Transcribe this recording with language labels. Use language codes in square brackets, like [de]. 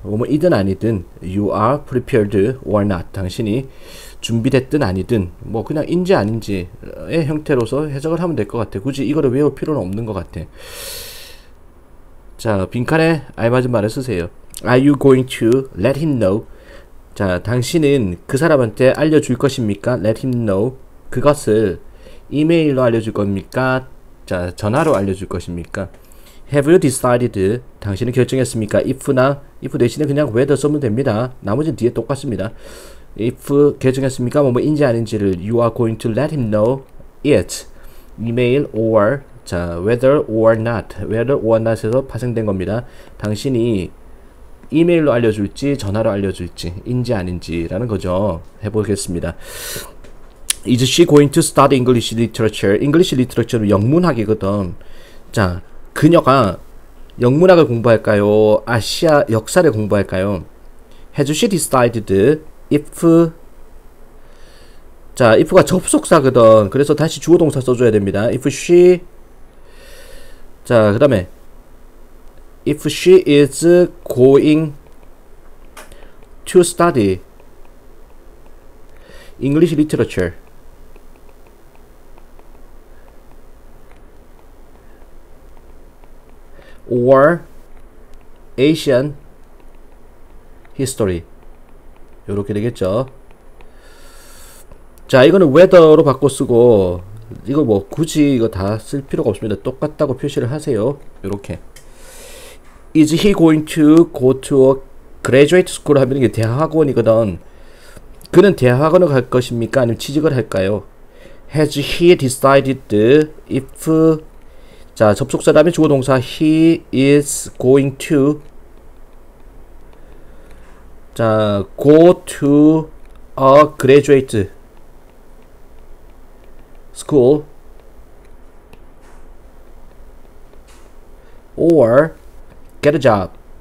[ko] 뭐든 아니든, [en] you are prepared or not. [ko] 당신이 준비됐든 아니든, 뭐 그냥 인지 아닌지의 형태로서 해석을 하면 될것 같아. 굳이 이거를 외울 필요는 없는 것 같아. 자, 빈칸에 알맞은 말을 쓰세요. [en] Are you going to let him know? [ko] 자, 당신은 그 사람한테 알려줄 것입니까? [en] Let him know. [ko] 그것을 이메일로 알려줄 겁니까? 자, 전화로 알려줄 것입니까? [en] Have you decided? [ko] 당신은 결정했습니까? if 대신에 그냥 whether 쓰면 됩니다. 나머지는 뒤에 똑같습니다. if 결정했습니까? 뭐뭐인지 아닌지를 [en] you are going to let him know it. email or 자, whether or not. [ko] whether or not에서 파생된 겁니다. 당신이 이메일로 알려줄지 전화로 알려줄지인지 아닌지라는 거죠. 해보겠습니다. [en] Is she going to study English literature? [ko] English literature는 영문학이거든. 자, 그녀가 영문학을 공부할까요? 아시아 역사를 공부할까요? [en] Has she decided if? 자, [ko] if가 접속사거든. 그래서 다시 주어동사 써줘야 됩니다. [en] If she. [ko] 자, 그 다음에. [en] If she is going to study English literature. or Asian history. [ko] 요렇게 되겠죠. 자, 이거는 whether로 바꿔 쓰고, 이거 뭐 굳이 이거 다쓸 필요가 없습니다. 똑같다고 표시를 하세요. 요렇게. [en] Is he going to go to a graduate school? [ko] 하면 이게 대학원이거든. 그는 대학원을 갈 것입니까? 아니면 취직을 할까요? [en] Has he decided if 자, [ko] 접속사 다음에 주어동사 [en] he is going to 자, go to a graduate school or get a job.